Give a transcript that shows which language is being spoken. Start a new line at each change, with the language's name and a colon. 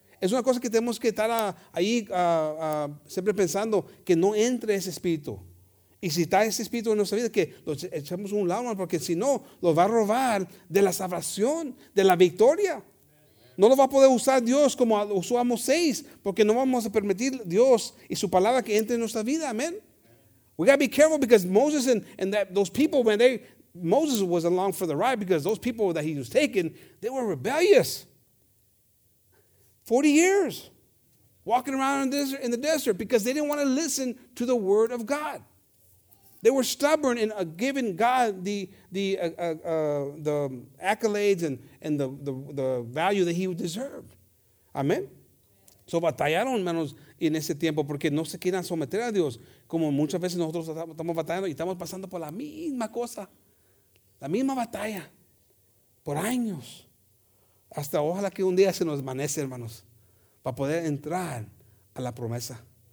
Spanish: Es una cosa que tenemos que estar ahí siempre pensando que no entre ese espíritu. Y si está ese espíritu en nuestra vida, que lo echemos a un lado, hermano, porque si no, lo va a robar de la salvación, de la victoria. No lo va a poder usar Dios como usó a Moisés, porque no vamos a permitir Dios y su palabra que entre en nuestra vida. Amén.
English: We got to be careful because Moses and that, those people, when they... Moses was along for the ride because those people that he was taking, they were rebellious. 40 years walking around in the desert because they didn't want to listen to the word of God. They were stubborn in giving God the accolades and the value that he deserved. Amen. So
Spanish: batallaron, hermanos, en ese tiempo porque no se quieren someter a Dios, como muchas veces nosotros estamos batallando y estamos pasando por la misma cosa, la misma batalla, por años. Hasta ojalá que un día se nos amanece, hermanos, para poder entrar a la promesa.